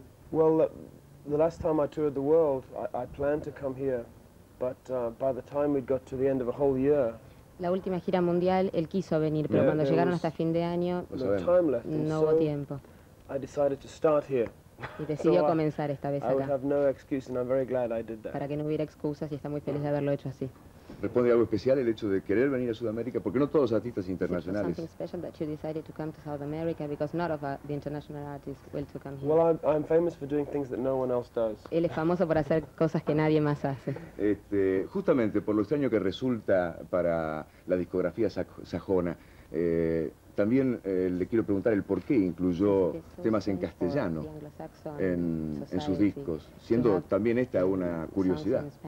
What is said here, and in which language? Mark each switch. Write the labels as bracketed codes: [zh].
[en] Well, the last time I toured the world, I planned to come here, but by the time we got to the end of a whole year. [es] La última gira mundial, él quiso venir, pero cuando llegaron hasta fin de año, no hubo tiempo. [en] I decided to start here. [es] Y decidió comenzar esta vez acá. [en] I have no excuse and I'm very glad I did that. [es] Para que no hubiera excusas y está muy feliz de haberlo hecho así. ¿Responde algo especial el hecho de querer venir a Sudamérica? Porque no todos los artistas internacionales. [en] Is it something special that you decided to come to South America because not of the international artists will to come here? Well, I'm famous for doing things that no one else does. [es] Él es famoso por hacer cosas que nadie más hace. Justamente por lo extraño que resulta para la discografía sajona, también le quiero preguntar el por qué incluyó temas en castellano en sus discos, siendo también esta una curiosidad.